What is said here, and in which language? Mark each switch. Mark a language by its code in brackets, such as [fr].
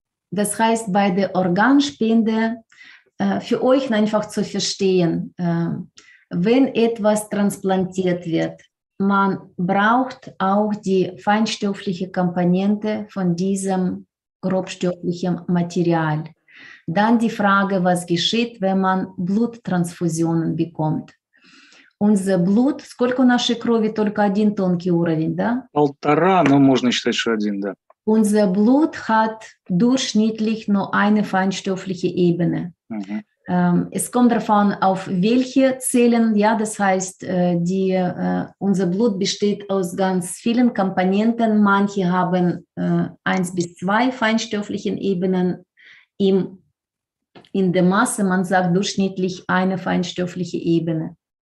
[de] Das heißt, bei der Organspende, für euch einfach zu verstehen, wenn etwas transplantiert wird, man braucht auch die feinstoffliche Komponente von diesem grobstofflichem Material. Dann die Frage, was geschieht, wenn man Bluttransfusionen bekommt. Unser Blut, [ru] сколько нашей крови, только один тонкий уровень, да? Полтора, но можно считать, что один, да. [de] Unser Blut hat durchschnittlich nur eine feinstoffliche Ebene. Es kommt darauf an, auf welche Zellen, ja, das heißt, unser Blut besteht aus ganz vielen Komponenten. Manche haben 1 bis 2 feinstofflichen Ebenen in der Masse, man sagt durchschnittlich eine feinstoffliche Ebene.